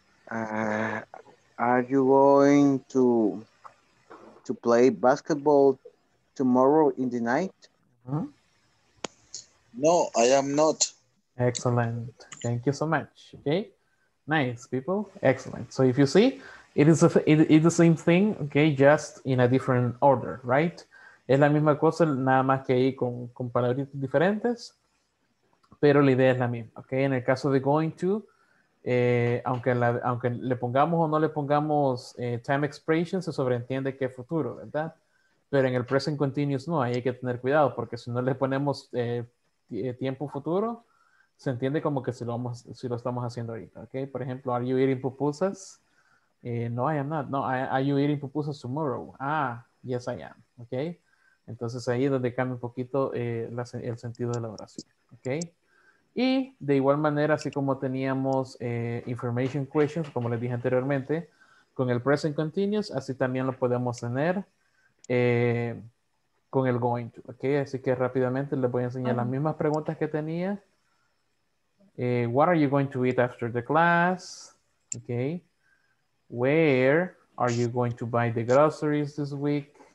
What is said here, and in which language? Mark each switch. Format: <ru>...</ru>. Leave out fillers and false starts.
<en>Are you going to play basketball tomorrow in the night? No, I am not. Excellent. Thank you so much. Okay. Nice, people. Excellent. So if you see, it is the same thing, okay, just in a different order, right?</en> <es>Es la misma cosa, nada más que ahí con palabritas diferentes, pero la idea es la misma, okay? En el caso de going to, aunque le pongamos o no le pongamos time expression, se sobreentiende que es futuro, ¿verdad? Pero en el present continuous no, ahí hay que tener cuidado, porque si no le ponemos tiempo futuro, se entiende como que si lo estamos haciendo ahorita, okay? Por ejemplo,</es> <en>are you eating pupusas? No, I am not. No, are you eating pupusas tomorrow? Ah, yes, I am. Okay.</en> <es>Entonces ahí es donde cambia un poquito el sentido de la oración. Okay. Y de igual manera, así como teníamos information questions, como les dije anteriormente, con el present continuous, así también lo podemos tener con el going to. Okay. Así que rápidamente les voy a enseñar las mismas preguntas que tenía.</es> <en>What are you going to eat after the class? Okay. Where are you going to buy the groceries this week?</en>